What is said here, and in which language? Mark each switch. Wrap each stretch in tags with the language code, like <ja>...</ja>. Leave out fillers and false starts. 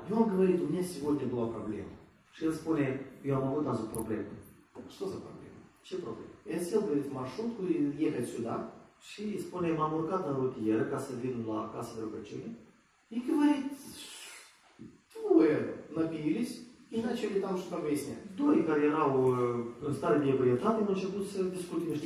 <ru>И он говорит, у меня сегодня была проблема.</ru> <ro>Și el spune, eu am avut azi o problemă.</ro> <ru>Что за проблема?</ru> <ro>Ce problemă?</ro> <ru>И он сел, говорит, в маршрутку и ехать сюда.</ru> <ro>Și spune, m-am urcat în rutieră ca să vin la casă de rugăciune.</ro> <ru>И говорит, двое напились и начали там что-то выяснять.</ru> <ro>Doi care erau în stare de ebrietate, m-au început să discute niște.</ro>